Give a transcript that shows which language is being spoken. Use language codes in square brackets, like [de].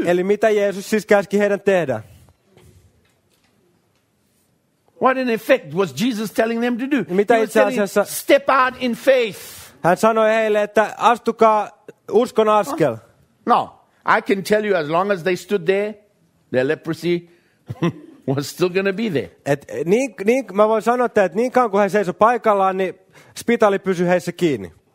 [fi] Eli mitä Jeesus siis käski heidän tehdä? [en] What in effect was Jesus telling them to do? [fi] Mitä itse asiassa? [en] Step out in faith. [fi] Hän sanoi heille, että astukaa uskon askel. [en] No. I can tell you, as long as they stood there, their leprosy was still going to be there. [fi] Et niin mä voin sanoa, että niin kauan kuin he seisoi paikallaan, niin spitaali pysyi heissä kiinni.